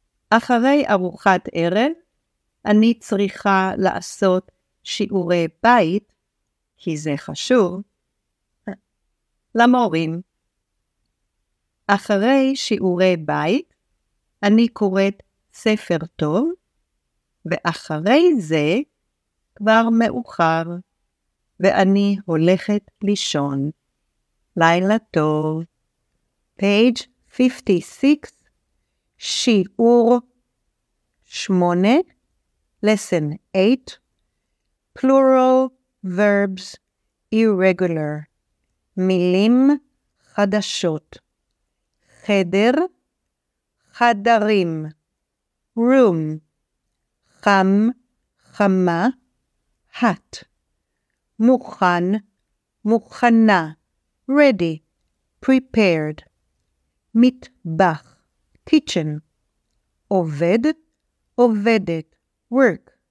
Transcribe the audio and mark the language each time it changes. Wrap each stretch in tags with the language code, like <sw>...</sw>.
<he>אחרי ארוחת ערב, אני צריכה לעשות שיעורי בית, כי זה חשוב, למורים. אחרי שיעורי בית, אני קוראת ספר טוב, ואחרי זה כבר מאוחר, ואני הולכת לישון. לילה טוב.</he> <en>Page 56,</en> <he>שיעור 8,</he> <en>lesson 8, plural verbs irregular,</en> <he>מילים חדשות. חדר, חדרים, room, חם, חמה, hat, מוכן, מוכנה,</he> <en>ready, prepared,</en> <he>מטבח, kitchen, עובד, עובדת, work,</he>